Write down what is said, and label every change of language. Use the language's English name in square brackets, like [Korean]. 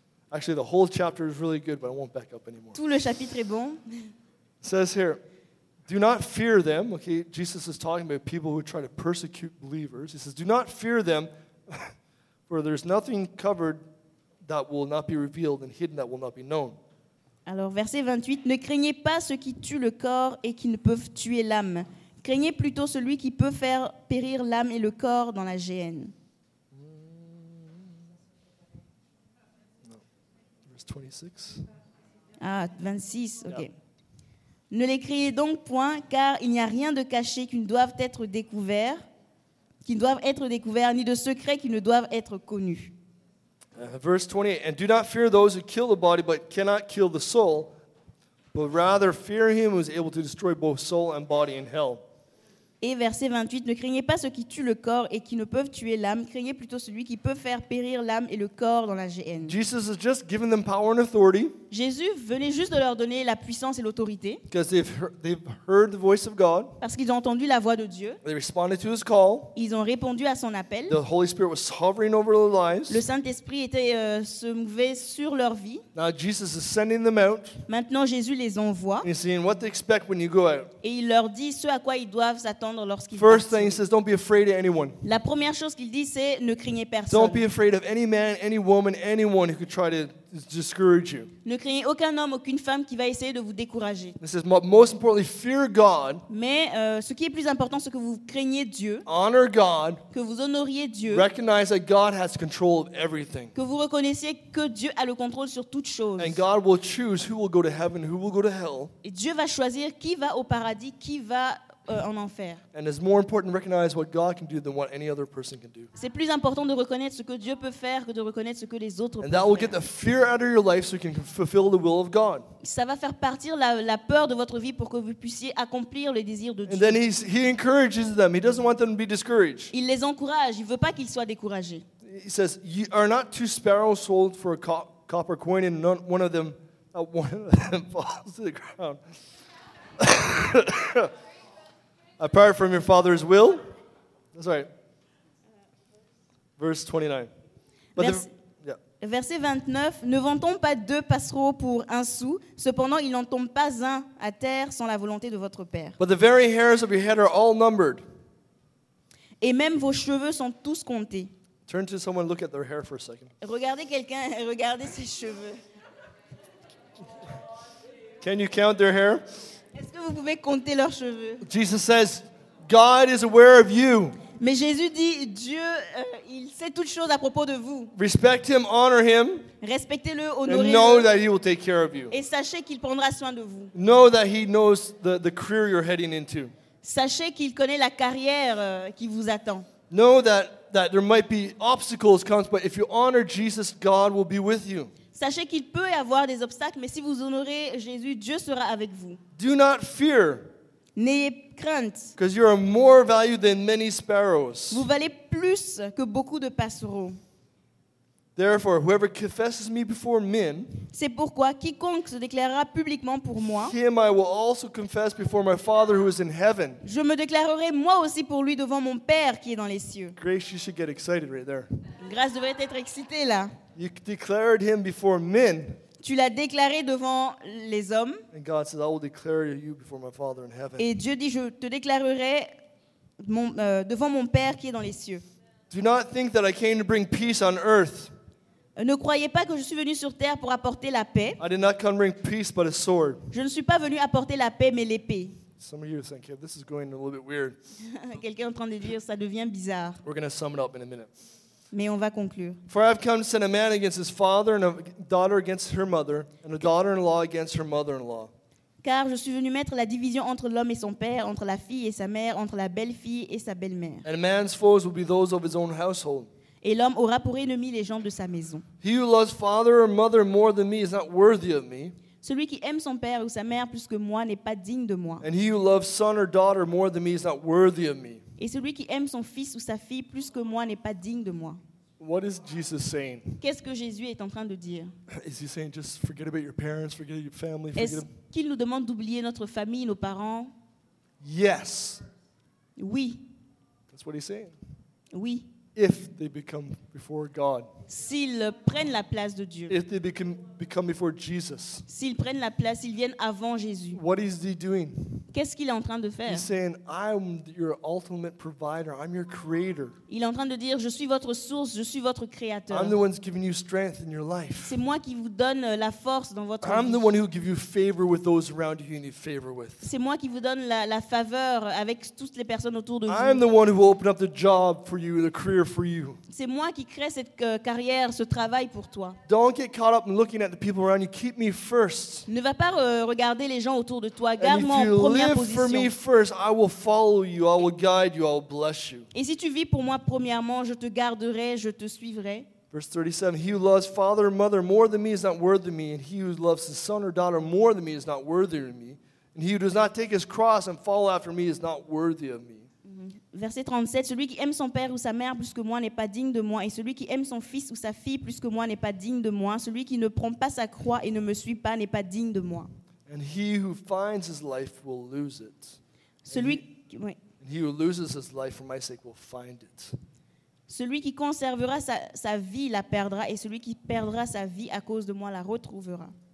[English] Actually, the whole chapter is really good, but I won't back up anymore. [French] Tout le chapitre est bon. [English] It says here, do not fear them. Okay, Jesus is talking about people who try to persecute believers. He says, do not fear them, for there's nothing covered that will not be revealed and hidden that will not be known. [French] Alors, verset 28, ne craignez pas ceux qui tuent le corps et qui ne peuvent tuer l'âme. Craignez plutôt celui qui peut faire périr l'âme et le corps dans la géhenne. [English] Verse 26. Ah, 26, ok. Yeah. [French] Ne les craignez donc point, car il n'y a rien de caché qui ne doivent être découvert, ni de secrets qui ne doivent être connus. [English] Verse 28. And do not fear those who kill the body but cannot kill the soul, but rather fear him who is able to destroy both soul and body in hell. [French] Et verset 28, ne craignez pas ceux qui tuent le corps et qui ne peuvent tuer l'âme, craignez plutôt celui qui peut faire périr l'âme et le corps dans la géhenne. [English] Jesus has just given them power and authority. [French] Jésus venait juste de leur donner la puissance et l'autorité. [English] Because they've heard the voice of God. [French] Parce qu'ils ont entendu la voix de Dieu. [English] They responded to his call. [French] Ils ont répondu à son appel. [English] The Holy Spirit was hovering over their lives. [French] Le Saint-Esprit se mouvait sur leur vie. [English] Now Jesus is sending them out. [French] Maintenant Jésus les envoie. [English] He's saying what to expect when you go out. [French] Et il leur dit ce à quoi ils doivent s'attendre lorsqu'ils partent. [English] First thing he says, don't be afraid of anyone. [French] La première chose qu'il dit c'est ne craignez personne. [English] Don't be afraid of any man, any woman, anyone who could try to discourage you. [French] Ne craignez aucun homme, aucune femme qui va essayer de vous décourager. [English] This is most importantly, fear God. [French] Mais ce qui est plus important, c'est que vous craigniez Dieu. [English] Honor God. [French] Que vous honoriez Dieu. [English] Recognize that God has control of everything. [French] Que vous reconnaissiez que Dieu a le contrôle sur toutes choses. [English] And God will choose who will go to heaven, who will go to hell. [French] Et Dieu va choisir qui va au paradis, qui va en enfer. [English] And it's more important to recognize what God can do than what any other person can do. [French] C'est plus important de reconnaître ce que Dieu peut faire que de reconnaître ce que les autres peuvent faire. [English] And that will get the fear out of your life so you can fulfill the will of God. [French] Ça va faire partir la peur de votre vie pour que vous puissiez accomplir les désirs de Dieu. [English] And then he encourages them. He doesn't want them to be discouraged. [French] Il les encourage. Il veut pas qu'ils soient découragés. [English] He says, "You are not two sparrows sold for a copper coin, and not one of them falls to the ground." Apart from your father's will, that's right. Verse 29. [French] Verset 29, ne vend-on pas deux passereaux pour un sou, cependant il n'en tombe pas un à terre sans la volonté de votre père. [English] But the very hairs of your head are all numbered. [French] Et même vos cheveux sont tous comptés. [English] Turn to someone, look at their hair for a second. [French] Regardez quelqu'un, regardez ses cheveux. [English] Can you count their hair? [French] Est-ce que vous pouvez compter leurs cheveux? [English] Jesus says, God is aware of you. [French] Mais Jésus dit, Dieu, il sait toutes choses à propos de vous. [English] Respect him, honor him. [French] Respectez-le, honorez-le. [English] And know that he will take care of you. [French] Et sachez qu'il prendra soin de vous. [English] Know that he knows the career you're heading into. [French] Sachez qu'il connaît la carrière qui vous attend. [English] Know that there might be obstacles comes, but if you honor Jesus, God will be with you. [French] Sachez qu'il peut y avoir des obstacles, mais si vous honorez Jésus, Dieu sera avec vous. [English] Do not fear. [French] N'ayez crainte. [English] Because you are more valued than many sparrows. [French] Vous valez plus que beaucoup de passereaux. [English] Therefore, whoever confesses me before men, [French] c'est pourquoi quiconque se déclarera publiquement pour moi, [English] him I will also confess before my Father who is in heaven. [French] Je me déclarerai moi aussi pour lui devant mon Père qui est dans les cieux. [English] Grace, you should get excited right there. [French] Grâce devrait être excitée là. [English] You declared him before men. [French] Tu l'as déclaré devant les hommes. [English] And God says, I will declare you before my Father in heaven. [French] Et Dieu dit, je te déclarerai devant mon Père qui est dans les cieux. [English] Do not think that I came to bring peace on earth. [French] Ne croyez pas que je suis venu sur terre pour apporter la paix. [English] I did not come to bring peace, but a sword. [French] Je ne suis pas venu apporter la paix, mais l'épée. [English] Some of you are thinking, this is going a little bit weird. [French] Quelqu'un est en train de dire, ça devient bizarre. [English] We're going to sum it up in a minute. [French] Mais on va conclure. [English] For I have come to send a man against his father, and a daughter against her mother, and a daughter-in-law against her mother-in-law. [French] Car je suis venu mettre la division entre l'homme et son père, entre la fille et sa mère, entre la belle-fille et sa belle-mère. [English] And a man's foes will be those of his own household. [French] Et l'homme aura pour ennemi les gens de sa maison. [English] He who loves father or mother more than me is not worthy of me. [French] Celui qui aime son père ou sa mère plus que moi n'est pas digne de moi. [English] And he who loves son or daughter more than me is not worthy of me. [French] Et celui qui aime son fils ou sa fille plus que moi n'est pas digne de moi. [English] What is Jesus saying? [French] Qu'est-ce que Jésus est en train de dire? [English] Is he saying just forget about your parents, forget your family, forget [French] Est-ce qu'il nous demande d'oublier notre famille, nos parents? [English] Yes. [French] Oui. [English] That's what he's saying. [French] Oui. [English] If they become before God. [French] S'ils prennent la place de Dieu. [English] If they become before Jesus. [French] S'ils prennent la place, ils viennent avant Jésus. [English] What is he doing? [French] Qu'est-ce qu'il est en train de faire? [English] He's saying, I'm your ultimate provider. I'm your creator. [French] Il est en train de dire, je suis votre source, je suis votre créateur. [English] I'm the one who's giving you strength in your life. [French] C'est moi qui vous donne la force dans votre vie. [English] I'm the one who gives you favor with those around you who need favor with. [French] C'est moi qui vous donne la faveur avec toutes les personnes autour de vous. [English] I'm the one who will open up the job for you, the career for you. [French] C'est moi qui crée cette carrière, ce travail pour toi. [English] Don't get caught up in looking at the people around you. Keep me first. [French] Ne va pas regarder les gens autour de toi. Garde-moi en première position. [English] If you live for me first, I will follow you, I will guide you, I will bless you. [French] Et si tu vis pour moi premièrement, je te garderai, je te suivrai. [English] Verse 37, he who loves father or mother more than me is not worthy of me, and he who loves his son or daughter more than me is not worthy of me, and he who does not take his cross and follow after me is not worthy of me. [French] Verset 37, celui qui aime son père ou sa mère plus que moi n'est pas digne de moi, et celui qui aime son fils ou sa fille plus que moi n'est pas digne de moi, celui qui ne prend pas sa croix et ne me suit pas n'est pas digne de moi. [English] And he who finds his life will lose it. [French] Celui [English] and he who loses his life for my sake will find it. [French] Celui qui conservera sa vie la perdra, et celui qui perdra sa vie à cause de moi la retrouvera.